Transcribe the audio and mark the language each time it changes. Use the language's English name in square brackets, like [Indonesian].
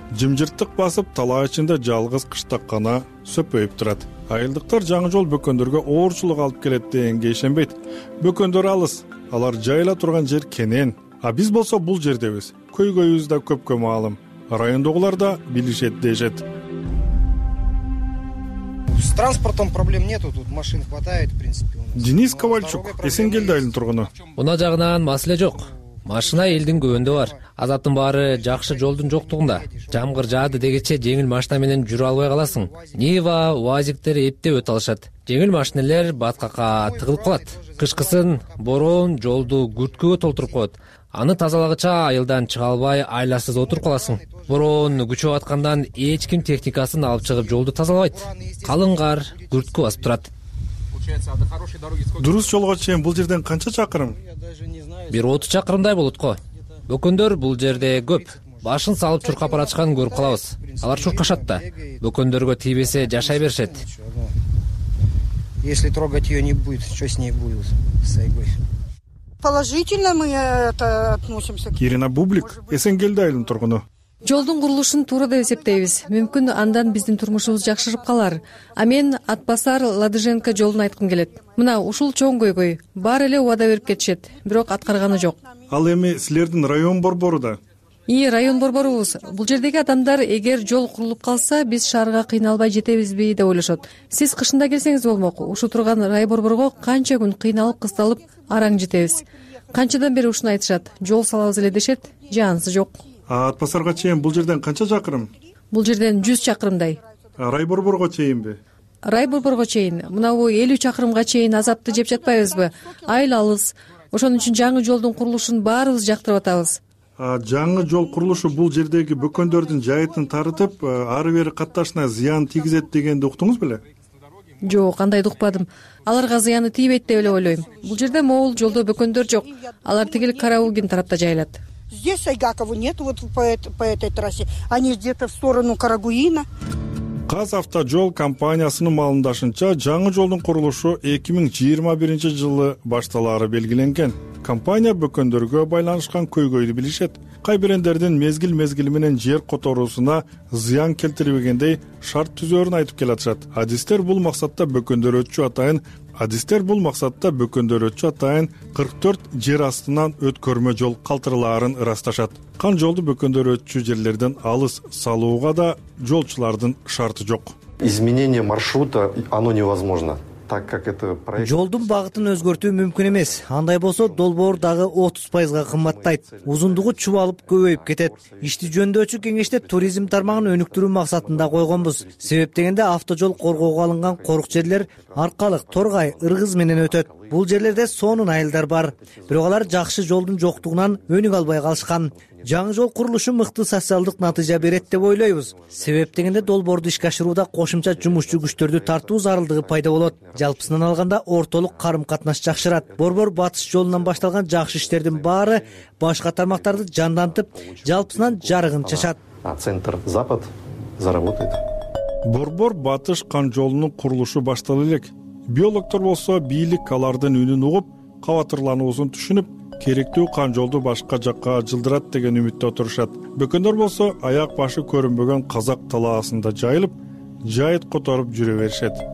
[Kyrgyz] Жымжырттык басып талаа ичинде жалгыз кыштак гана сөпөйүп турат. Айылдыктар жаңы жол бөкөндөргө оорчулук алып келет дегенге ишенбейт. Бөкөндөр алыс, алар жайыла турган жер кенен. А биз болсо бул жердебиз. Көйгөйүбүз да көпкө маалым. Райондогулар да билишет дешет. [Russian] С транспортом проблем нету, тут машин хватает, в принципе, у нас. [Kyrgyz] Денис Ковальчук, Эсенгелди айылынын тургуну. Буна жагынан маселе жок. Машина элдин көбөндө бар. Азаттын баары жакшы жолдун жоктугунда. Жамгыр жаады дегече жеңил машина менен жүрө албай каласың. Нива, УАЗиктер эптеп өтө алышат. Жеңил машинелер баткака тыгылып калат. Кышкысын бороон жолду күрткөгө толтуруп коет. Аны тазалагыча айылдан чыга албай айласыз отуруп каласың. Бороон күчөп аткандан эч ким техникасын алып чыгып жолду тазалабайт. Калың кар күрткү басып турат. Дурус жолго чейин бул жерден канча чакырым? Бир 30 чакырымдай болот го. Бөкөндөр бул жерде көп. Башын салып чуркап баратканын көрүп калабыз. Алар чуркашат да. Бөкөндөргө тийбесе жашай беришет. [Russian] Если трогать её не будет, что с ней будет? Сайгой. Положительно мы это относимся к [Kyrgyz] Ирина Бублик, Эсенгелди айылынын тургуну. Жолдун курулушун туура деп эсептейбиз. Мүмкүн андан биздин турмушубуз жакшырып калар. А мен Атбасар Ладыженко жолун айткым келет. Мына ушул чоң көйгөй баары эле убада берип кетишет, бирок аткарганы жок. Ал эми силердин район борбору да? Ии, район борборубуз. Бул жердеги адамдар эгер жол курулуп калса, биз шаарга кыйналбай жетебизби деп ойлошот. Сиз кышында келсеңиз болмок, ушул турган райборборго канча күн кыйналып, кысталып араң жетебиз. Канчадан бери ушуну айтышат, жол салабыз эле дешет, жаансы жок. А Атбасарга чейин бул жерден канча чакырым? Бул жерден 100 чакырымдай. А райборборго чейинби? Райборборго чейин. Мынабу 50 чакырымга чейин азапты жеп жатпайбызбы? Айыл алыс. Ошон үчүн жаңы жолдун курулушун баарыбыз жактырып атабыз. А жаңы жол курулушу бул жердеги бөкөндөрдүн жайытын тарытып, ары бери катташына зыян тийгизет дегенди уктуңуз беле? Жок, кандайды укпадым. Аларга зыяны тийбейт деп эле ойлойм. Бул жерде моул жолдо бөкөндөр жок. Алар тигил караугин тарапта жайылат. [Russian] Здесь Айгакова нет вот по этой трассе. Они где-то в сторону Карагуина. [Kyrgyz] Казавтожол компаниясынын маалымдашынча, жаңы жолдун курулушу 2021 жылы башталары белгиленген. Компания бөкөндөргө байланышкан көйгөйдү билишет. Кай бирендердин мезгил-мезгил менен жер которуусуна зыян келтирбегендей шарт түзөрүн айтып келатышат. Адистер бул максатта бөкөндөр өтчү атайын 44 жер астынан өткөрмө жол калтырларын ырасташат. Кан жолду бөкөндөр өтчү жерлерден алыс салууга да жолчулардын шарты жок. [Russian] Изменение маршрута оно невозможно. Так как это проект. [Kyrgyz] Жолдун багытын өзгөртүү мүмкүн эмес. Андай болсо долбоор дагы 30% кымбаттайт. Узундугу чубалып көбөйүп кетет. Ишти жөндөөчү кеңеште туризм тармагын өнүктүрүү максатында койгонбуз. Себеп дегенде автожол коргоого алынган корук жерлер Аркалык, Торгай, Ыргыз менен өтөт. Бул жерлерде сонун айылдар бар. Бирок алар жакшы жолдун жоктугунан өнүк албай калышкан. Жаңы жол курулушу мыкты социалдык натыйжа берет деп ойлойбуз. Себеп дегенде долбоорду ишке ашырууда кошумча жумушчу күчтөрдү тартуу зарылдыгы пайда болот. Жалпысынан алганда ортолук карым катнаш жакшырат. Борбор батыш жолунан башталган жакшы иштердин баары башка тармактарды жандантып, жалпысынан жарыгын чачат. [Russian] А центр Запад заработает. [Kyrgyz] Борбор батыш кан жолунун курулушу баштала элек. Биологтор болсо бийлик алардын үнүн угуп, кабатырлануусун түшүнүп, керектүү кан жолду башка жакка жылдырат деген үмүттө отурушат. Бөкөндөр болсо аяк башы көрүнбөгөн казак талаасында жайылып, жайыт которуп жүрө беришет.